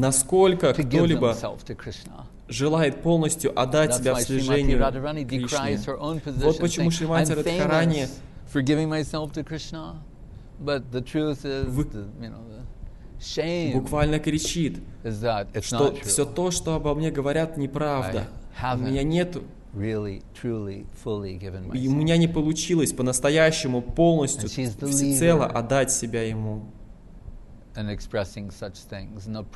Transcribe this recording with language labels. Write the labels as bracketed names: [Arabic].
[Russian] Насколько кто-либо желает полностью отдать себя в служение Кришне. Вот почему Шримати Радхарани [English] for giving myself to Krishna, but the truth is, [Russian] буквально кричит, что все то, что обо мне говорят, неправда. У меня нету, [English] really, truly, fully given myself. [Russian] И у меня не получилось по-настоящему полностью всецело отдать себя ему. [English] And expressing such things.